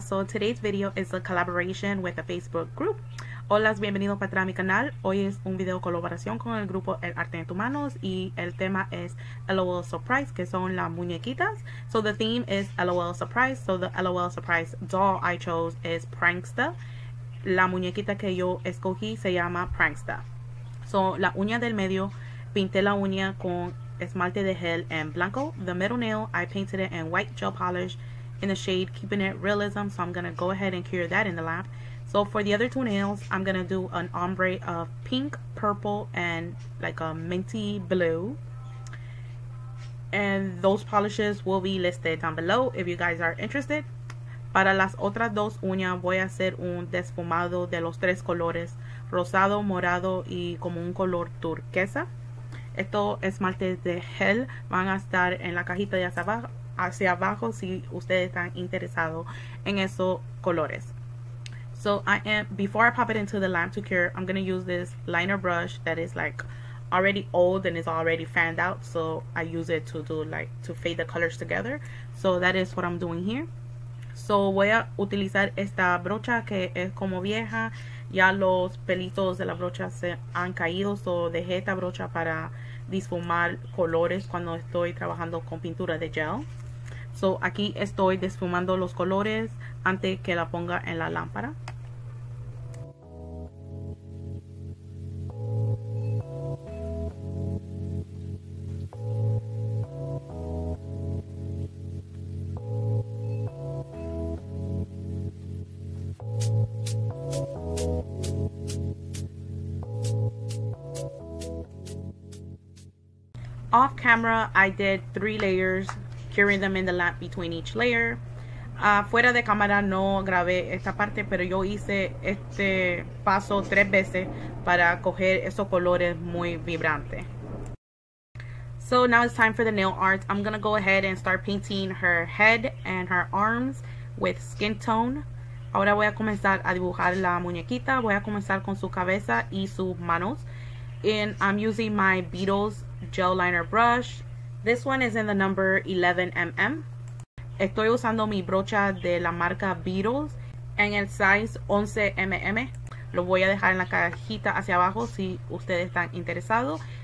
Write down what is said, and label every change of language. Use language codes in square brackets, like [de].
[en] So today's video is a collaboration with a Facebook group. [es] Hola, bienvenido para mi canal. Hoy es un video colaboración con el grupo El Arte en Tus Manos, y el tema es LOL Surprise, que son las muñequitas. [en] So the theme is LOL Surprise. So the LOL Surprise doll I chose is Pranksta. [es] La muñequita que yo escogí se llama Pranksta. So la uña del medio, pinté la uña con esmalte de gel en blanco. [en] The middle nail, I painted it in white gel polish in the shade Keepin it Realism. So I'm gonna go ahead and cure that in the lab. So for the other two nails, I'm gonna do an ombre of pink, purple, and like a minty blue. And those polishes will be listed down below if you guys are interested. [es] Para las otras dos uñas, voy a hacer un desfumado de los tres colores, rosado, morado, y como un color turquesa. Estos esmaltes de gel van a estar en la cajita de hacia abajo si ustedes están interesados en esos colores. [en] So before I pop it into the lamp to cure, I'm going to use this liner brush that is like already old and is already fanned out. So I use it to do like to fade the colors together. So that is what I'm doing here. [es] So voy a utilizar esta brocha que es como vieja. Ya los pelitos de la brocha se han caído. So dejé esta brocha para desfumar colores cuando estoy trabajando con pintura de gel. So aquí estoy desfumando los colores antes que la ponga en la lámpara. [en] Off camera, I did three layers, curing them in the lamp between each layer. [es] Fuera de cámara no grabé esta parte, pero yo hice este paso tres veces para coger esos colores muy vibrantes. [en] So now it's time for the nail art. I'm gonna go ahead and start painting her head and her arms with skin tone. [es] Ahora voy a comenzar a dibujar la muñequita. Voy a comenzar con su cabeza y sus manos. [en] And I'm using my Beetles gel liner brush. This one is in the number 11mm. [es] Estoy usando mi brocha de la marca Beetles en el size 11mm. Lo voy a dejar en la cajita hacia abajo si ustedes están interesados.